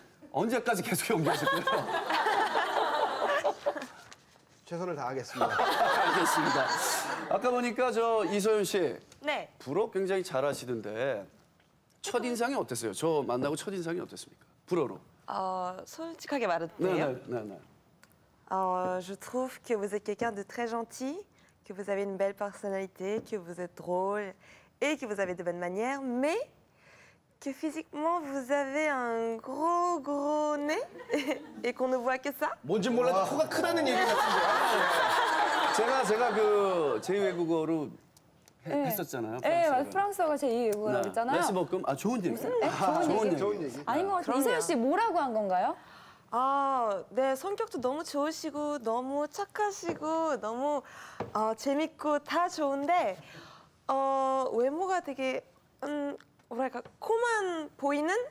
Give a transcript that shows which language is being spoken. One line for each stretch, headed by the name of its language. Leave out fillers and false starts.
Korean: 언제까지 계속 연기하실 거예요? 최선을 다하겠습니다. 알겠습니다. 아까 보니까 저 이소연 씨 네. 불어 굉장히 잘하시던데 첫인상이 어땠어요? 저 만나고 첫인상이 어땠습니까? 불어로. 솔직하게 말할게요. 네.
French: Je trouve que vous êtes quelqu'un de très gentil. Que vous avez une belle personnalité, que vous êtes drôle et que vous avez de bonnes manières, mais que physiquement vous avez un gros gros nez et qu'on ne voit que ça.
Korean: 뭔지 몰라도 코가 크다는 얘기 같은데. 제가 그 제 외국어로 네. 했었잖아요. 예, 네, 프랑스어가 제 2외국어라고 네. 했잖아요. 날씨 볶음? 아, 좋은 얘기. 무슨, 네? 좋은 얘기. 아니, 뭐, 이서연 씨 뭐라고 한 건가요? 아, 네, 성격도 너무 좋으시고, 너무 착하시고, 너무 재밌고, 다 좋은데, 외모가 되게, 뭐랄까, 코만 보이는?